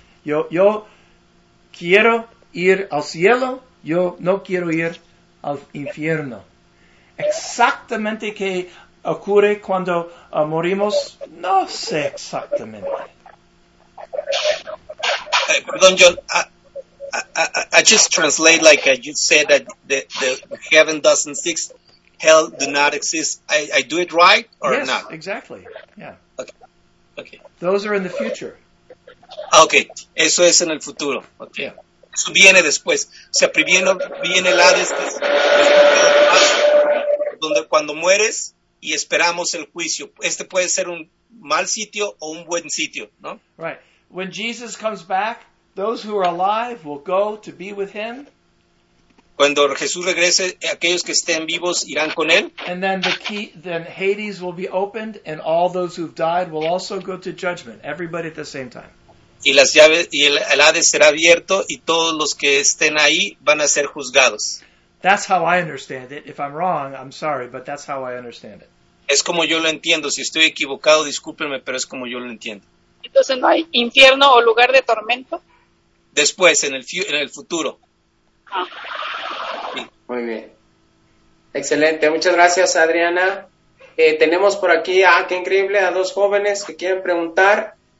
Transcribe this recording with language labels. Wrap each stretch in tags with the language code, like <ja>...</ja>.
<es>Yo quiero ir al cielo, yo no quiero ir al infierno. Exactamente qué ocurre cuando morimos, no sé exactamente. Perdón, John.</es> <en>I just translate like you said that the heaven doesn't exist. Hell do not exist. I do it right or yes, not? Yes, exactly. Yeah. Okay. Those are in the future.</en> <es>Okay, eso es en el futuro. Okay. Yeah. Eso viene después. O sea, primero viene el Hades, que es donde cuando mueres y esperamos el juicio. Este puede ser un mal sitio o un buen sitio, ¿no?</es> <en>Right. When Jesus comes back, those who are alive will go to be with him.</en> <es>Cuando Jesús regrese, aquellos que estén vivos irán con él.</es> <en>And then the key, then Hades will be opened and all those who've died will also go to judgment. Everybody at the same time.</en> <es>Y las llaves y el Hades será abierto y todos los que estén ahí van a ser juzgados.</es> <en>That's how I understand it. If I'm wrong, I'm sorry, but that's how I understand it.</en> <es>Es como yo lo entiendo. Si estoy equivocado, discúlpenme, pero es como yo lo entiendo. Entonces no hay infierno o lugar de tormento. Después, en el futuro. Ah. Sí. Muy bien. Excelente. Muchas gracias, Adriana. Tenemos por aquí qué increíble, a dos jóvenes que quieren preguntar.</es>